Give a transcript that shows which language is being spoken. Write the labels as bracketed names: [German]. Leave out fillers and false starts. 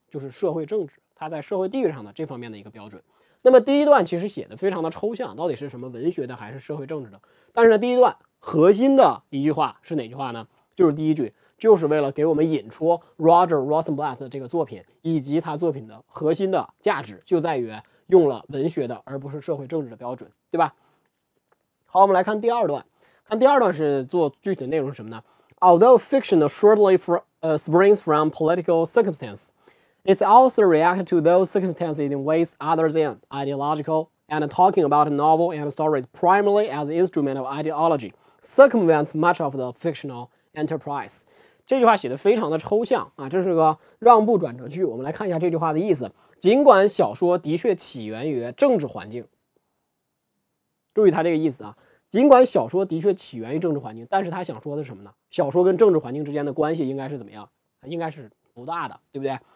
[Chinese] 就是社会政治，它在社会地位上的这方面的一个标准。那么第一段其实写的非常的抽象，到底是什么文学的还是社会政治的，但是呢第一段核心的一句话是哪句话呢？就是第一句，就是为了给我们引出 Roger Rosenblatt 的这个作品，以及他作品的核心的价值就在于用了文学的而不是社会政治的标准，对吧？好，我们来看第二段。看第二段是做具体的内容是什么呢？ [English] Although fiction assuredly springs from political circumstanceIt's also reacted to those circumstances in ways other than ideological, and talking about a novel and stories primarily as an instrument of ideology circumvents much of the fictional enterprise. [Chinese] 这句话写得非常的抽象啊，这是个让步转折句。我们来看一下这句话的意思。尽管小说的确起源于政治环境，注意他这个意思啊，尽管小说的确起源于政治环境，但是他想说的是什么呢？小说跟政治环境之间的关系应该是怎么样？应该是不大的，对不对？